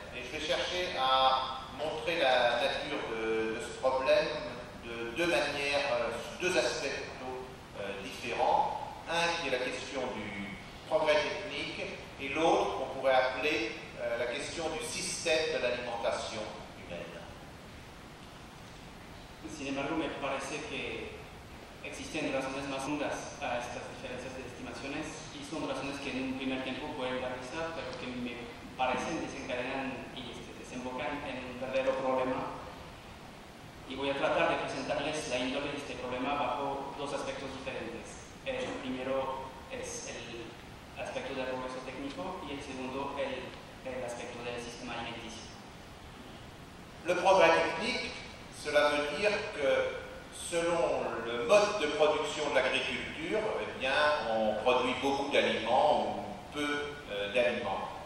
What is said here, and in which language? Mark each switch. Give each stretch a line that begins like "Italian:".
French: Et je vais chercher à montrer la nature de ce problème de deux manières, deux aspects plutôt différents. Un qui est la question du progrès technique et l'autre qu'on pourrait appeler la question du système de l'alimentation humaine.
Spanish: Sin embargo, me parece que existen razones más hondas a estas diferencias de estimaciones y son razones que en un primer tiempo pueden analizar, pero que me parecen desencadenan y desembocan en un verdadero problema. Y voy a tratar de presentarles la índole de este problema bajo dos aspectos diferentes. El primero es el aspecto del progreso técnico y el segundo el aspecto del sistema alimenticio.
French: Le progrès technique, cela veut dire que selon le mode de production de l'agriculture, eh bien, on produit beaucoup d'aliments ou peu d'aliments.